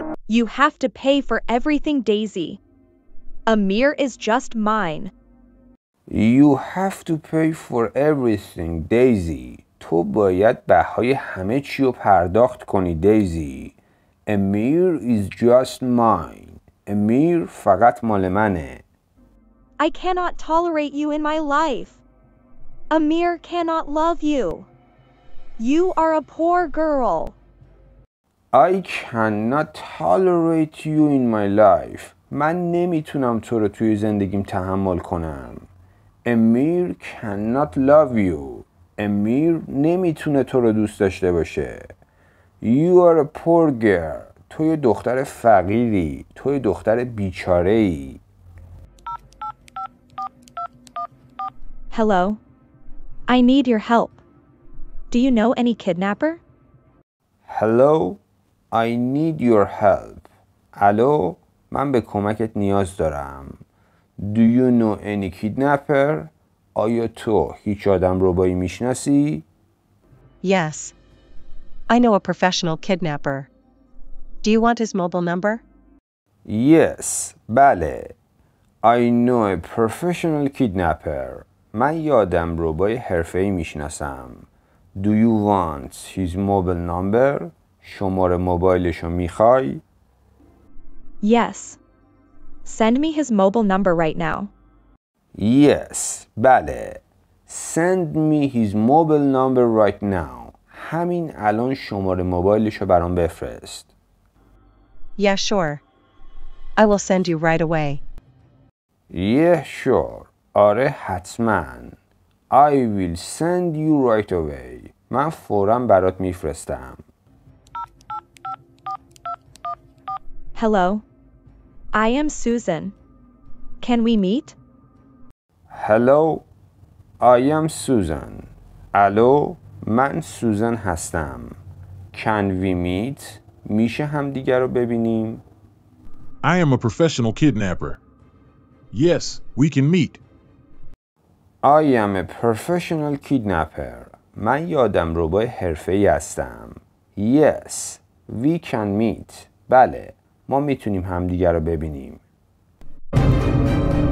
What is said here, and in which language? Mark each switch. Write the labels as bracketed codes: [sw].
[en] You have to pay for everything, Daisy. Amir is just mine. You have to pay for everything, Daisy. [fa] تو باید بهای همه چی رو پرداخت کنی, Daisy. [en] Amir is just mine. [fa] Amir فقط مال منه. [en] I cannot tolerate you in my life. Amir cannot love you. You are a poor girl. I cannot tolerate you in my life. [fa] من نمیتونم تو رو توی زندگیم تحمل کنم. [en] Amir cannot love you. [fa] Amir نمیتونه تو رو دوست داشته باشه. [en] You are a poor girl. [fa] تو یه دختر فقیری. تو یه دختر بیچاره ای. [en] Hello. I need your help. Do you know any kidnapper? Hello. I need your help. [fa] الو، من به کمکت نیاز دارم. [en] Do you know any kidnapper? [fa] آیا تو هیچ آدم ربایی میشناسی؟ [en] Yes. I know a professional kidnapper. Do you want his mobile number? Yes. [fa] بله. [en] I know a professional kidnapper. [fa] من یه آدم ربای حرفه‌ای میشناسم. [en] Do you want his mobile number? [fa] شماره موبایلشو میخوای؟ [en] Yes. Send me his mobile number right now. Yes. [fa] بله. [en] Send me his mobile number right now. [fa] همین الان شماره موبایلشو برام بفرست. [en] Yeah, sure. I will send you right away. Yeah, sure. [fa] آره حتما. [en] I will send you right away. [fa] من فوراً برات میفرستم. [en] Hello. I am Susan. Can we meet? Hello. I am Susan. [fa] الو، من سوزن هستم. [en] Can we meet? [fa] میشه هم دیگر رو ببینیم؟ [en] I am a professional kidnapper. Yes, we can meet. I am a professional kidnapper. [fa] من یه آدم ربای حرفه‌ای هستم. [en] Yes, we can meet. [fa] بله، ما میتونیم همدیگر رو ببینیم.